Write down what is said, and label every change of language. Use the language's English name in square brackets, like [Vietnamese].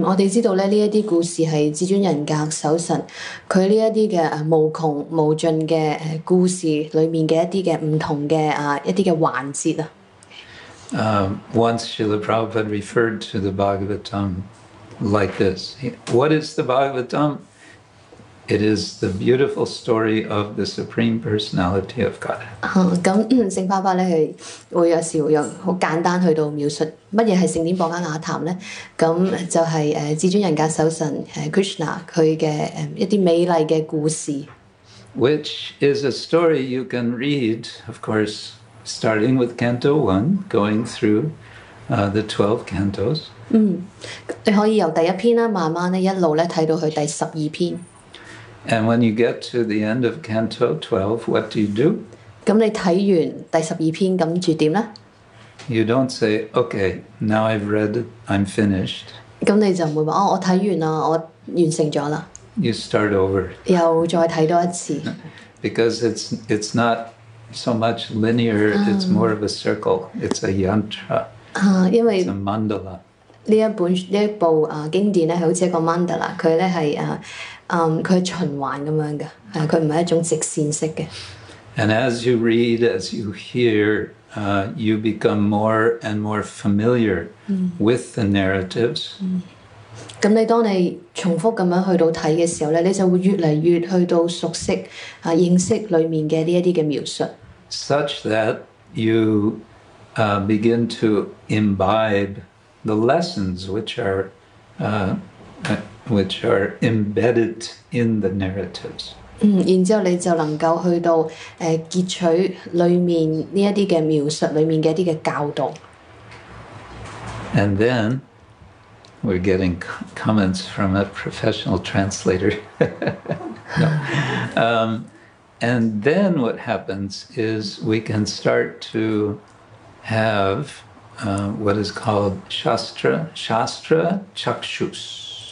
[Cantonese] 我哋知道咧，呢一啲故事係至尊人格守神，佢呢一啲嘅無窮無盡嘅故事裡面嘅一啲嘅唔同嘅一啲嘅環節啊。 [English] Once Srila Prabhupada referred to the Bhagavatam like this. What is the Bhagavatam? It is the beautiful story of the Supreme Personality of God. [Cantonese] 咁聖爸爸咧，佢會有時會用好簡單去到描述乜嘢係聖典《博伽瓦談》咧。咁就係至尊人格首神Krishna 佢嘅一啲美麗嘅故事。 [English] Which is a story you can read, of course, starting with Canto 1, going through the 12 cantos. [Cantonese] 你可以由第一篇啦，慢慢咧一路咧睇到去第十二篇。 [English] And when you get to the end of Canto 12, what do you do? [Cantonese] 咁你睇完第十二篇，咁住點咧？ [English] You don't say, okay, now I've read, I'm finished. [Cantonese] 咁你就唔會話，哦，我睇完啦，我完成咗啦。 [English] You start over. [Cantonese] 又再睇多一次。 [English] Because it's not so much linear, it's more of a circle. It's a yantra. [Cantonese] 因為 [English] it's a mandala. [Cantonese] 呢一部經典咧，係好似一個 mandala， 佢咧係佢循環咁樣嘅，佢唔係一種直線式嘅。 [English] And as you read, as you hear, you become more and more familiar with the narratives. [Cantonese] 咁你當你重複咁樣去到睇嘅時候咧，你就會越嚟越去到熟悉認識裡面嘅呢一啲嘅描述。 [English] Such that you begin to imbibe the lessons which are embedded in the narratives. [Cantonese] 然之後你就能夠去到汲取裡面呢一啲嘅描述裡面嘅一啲嘅教導。 [English] And then we're getting comments from a professional translator. and then what happens is we can start to have what is called shastra chakshus.